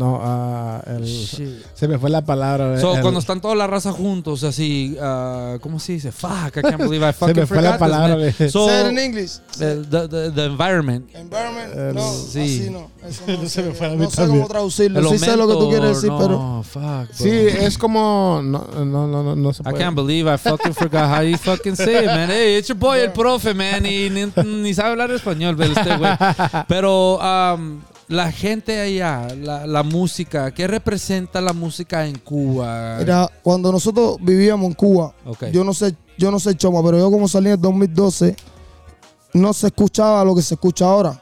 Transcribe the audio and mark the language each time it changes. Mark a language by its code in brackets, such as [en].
[es] Se me fue la palabra. Cuando están todas las razas juntos, así, ¿cómo se dice? [en] Fuck, I can't believe I fucking [es] se me fue [en] forgot [es] la palabra. [en] This, say it in English. The environment. [es] Environment, no, sí. Así no. Eso no se me fue la mitad. No sé cómo traducirlo. Sí sé lo que tú quieres decir, no, pero... [en] No, fuck. [es] Bro. Sí, es como... No se puede. [en] I can't believe I fucking forgot how you fucking say it, man. Hey, it's your boy, yeah. [es] El profe, man. Ni sabe hablar español, pero este güey. Pero la gente allá, la música, ¿qué representa la música en Cuba? Era cuando nosotros vivíamos en Cuba, okay. yo no sé Choma, pero yo como salí en el 2012, no se escuchaba lo que se escucha ahora.